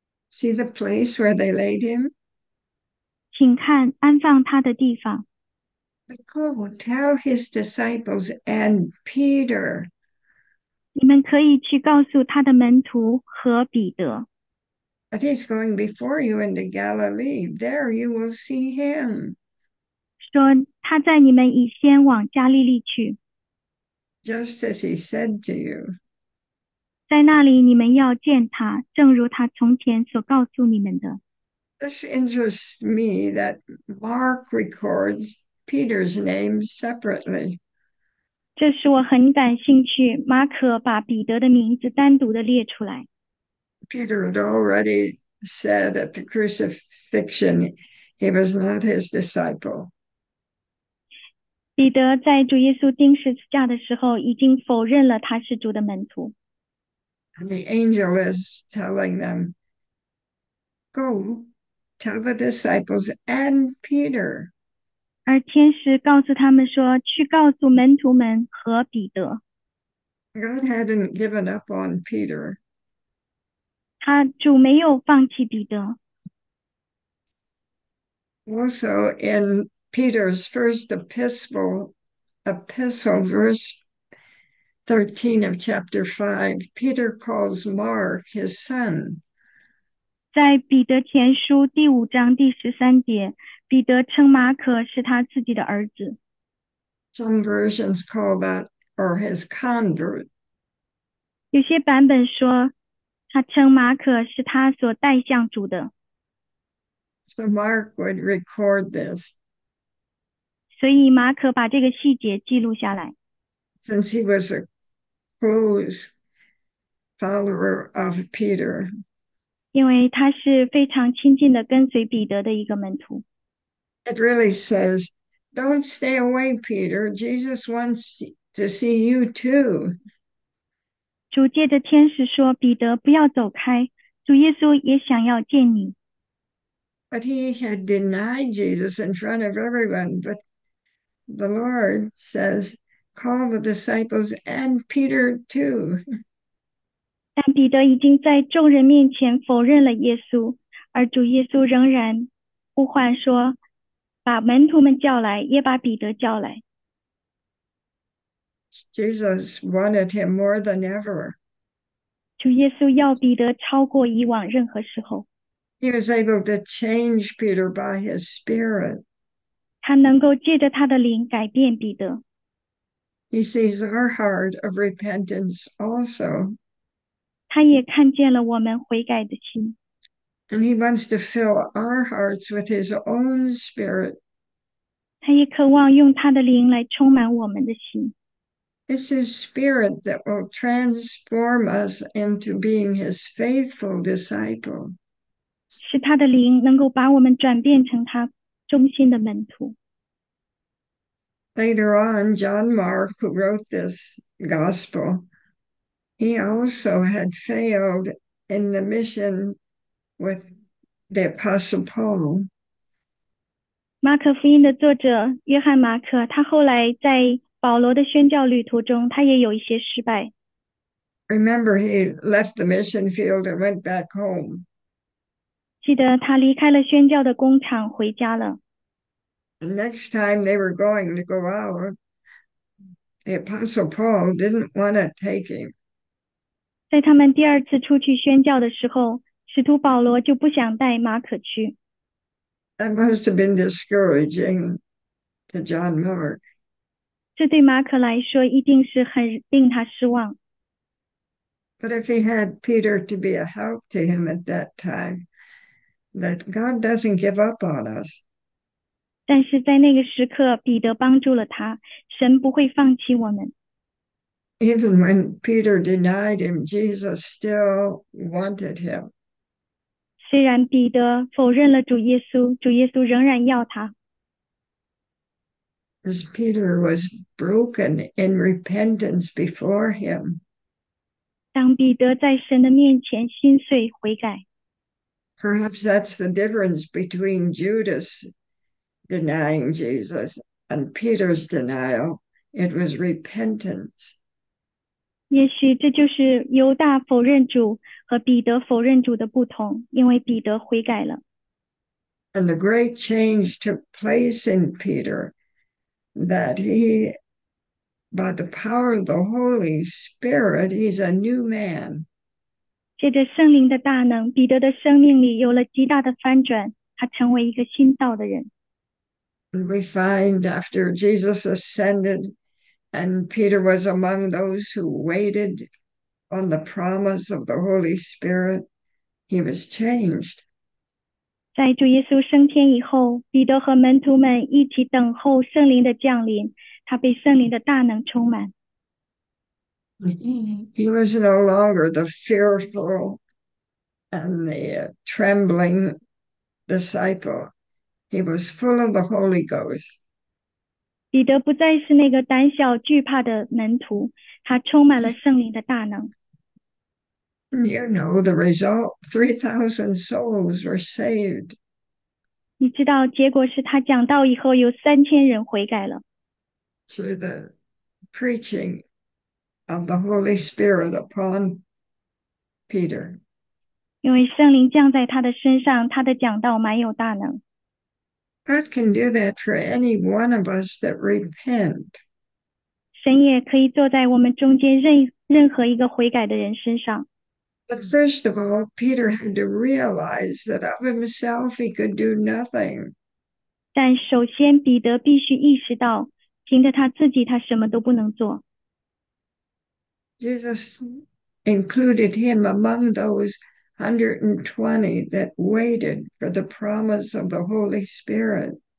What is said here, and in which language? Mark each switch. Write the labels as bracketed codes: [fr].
[en] See the place where they laid him? [zh] 请看安放他的地方。 [en] Go tell his disciples and Peter. [zh] 你们可以去告诉他的门徒和彼得。 [en] But he's going before you into Galilee. There you will see him. [zh] 说他在你们以先往加利利去。 [en] Just as he said to you. [zh] 在那里你们要见他，正如他从前所告诉你们的。 [en] This interests me that Mark records Peter's name separately. [zh] 这使我很感兴趣，马可把彼得的名字单独的列出来。 [en] Peter had already said at the crucifixion he was not his disciple. [zh] 彼得在主耶稣钉十字架的时候已经否认了他是主的门徒。 [en] And the angel is telling them, go tell the disciples and Peter. [zh] 而天使告诉他们说，去告诉门徒们和彼得。 [en] God hadn't given up on Peter. [zh] 他主没有放弃彼得。 [en] Also, in Peter's first epistle, verse 13 of chapter 5, Peter calls Mark his son. [zh] 在彼得前书第五章第十三节，彼得称马可是他自己的儿子。 [en] Some versions call that or his convert. [zh] 有些版本说，他称马可是他所带向主的。 [en] So Mark would record this. [zh] 所以马可把这个细节记录下来。 [en] Since he was a close follower of Peter. [zh] 因为他是非常亲近地跟随彼得的一个门徒。 [en] It really says, don't stay away, Peter. Jesus wants to see you too. [zh] 主借着天使说，彼得不要走开，主耶稣也想要见你。 [en] But he had denied Jesus in front of everyone. But the Lord says, call the disciples and Peter too. [zh] 但彼得已经在众人面前否认了耶稣，而主耶稣仍然呼唤说，把门徒们叫来，也把彼得叫来。 [en] Jesus wanted him more than ever. [zh] 主耶稣要彼得超过以往任何时候。 [en] He was able to change Peter by his spirit. [zh] 他能够借着他的灵改变彼得。 [en] He sees our heart of repentance also. [zh] 他也看见了我们悔改的心。 [en] And he wants to fill our hearts with his own spirit. [zh] 他也渴望用他的灵来充满我们的心。 [en] It's his spirit that will transform us into being his faithful disciple. [zh] 是他的灵能够把我们转变成他忠心的门徒。 [en] Later on, John Mark, who wrote this gospel, he also had failed in the mission with the Apostle Paul. [zh] 马可福音的作者约翰·马可，他后来在保罗的宣教旅途中，他也有一些失败。 [en] Remember, he left the mission field and went back home. [zh] 记得他离开了宣教的工厂，回家了。 [en] The next time they were going to go out, the Apostle Paul didn't want to take him. [zh] 在他们第二次出去宣教的时候，使徒保罗就不想带马可去。 [en] That must have been discouraging to John Mark. [zh] 这对马可来说一定是很令他失望。 [en] But if he had Peter to be a help to him at that time, that God doesn't give up on us. [zh] 但是在那个时刻，彼得帮助了他，神不会放弃我们。 [en] Even when Peter denied him, Jesus still wanted him. [zh] 虽然彼得否认了主耶稣，主耶稣仍然要他。 [en] As Peter was broken in repentance before him. [zh] 当彼得在神的面前心碎悔改。 [en] Perhaps that's the difference between Judas denying Jesus and Peter's denial. It was repentance. [zh] 也许这就是犹大否认主和彼得否认主的不同，因为彼得悔改了。 [en] And the great change took place in Peter that he, by the power of the Holy Spirit, he's a new man. [zh] 借着圣灵的大能，彼得的生命里有了极大的翻转，他成为一个新造的人。 [en] And we find after Jesus ascended, and Peter was among those who waited on the promise of the Holy Spirit, he was changed. [zh] 在主耶稣升天以后，彼得和门徒们一起等候圣灵的降临，他被圣灵的大能充满。 [en] He was no longer the fearful and the trembling disciple. He was full of the Holy Ghost. [zh] 彼得不再是那个胆小惧怕的门徒，他充满了圣灵的大能。 [en] You know the result. 3,000 souls were saved. [zh] 你知道，结果是他讲道以后，有3000人悔改了。 [en] Through the preaching of the Holy Spirit upon Peter. [zh] 因为圣灵降在他的身上，他的讲道蛮有大能。 [en] God can do that for any one of us that repent. [zh] 神也可以坐在我们中间任何一个悔改的人身上。 [en] But first of all, Peter had to realize that of himself he could do nothing. [zh] 但首先，彼得必须意识到，凭着他自己，他什么都不能做。 [en] Jesus included him among those 120 that waited for the promise of the Holy Spirit.